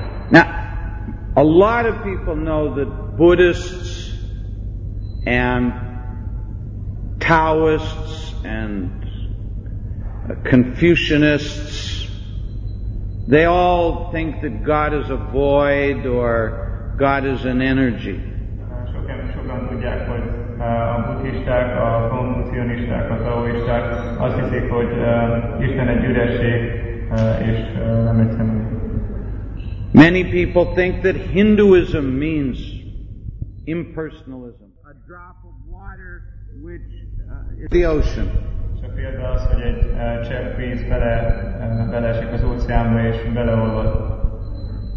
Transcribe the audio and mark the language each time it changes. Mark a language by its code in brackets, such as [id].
[en] Now, a lot of people know that Buddhists and Taoists and Confucianists, they all think that God is a void or God is an energy. [hu] Sokan tudják, hogy a buddhisták, a konfucianisták, a taoisták azt hiszik, hogy Isten egy üresség, és nem egy személy. [en] Many people think that Hinduism means impersonalism. A drop of water which is the ocean.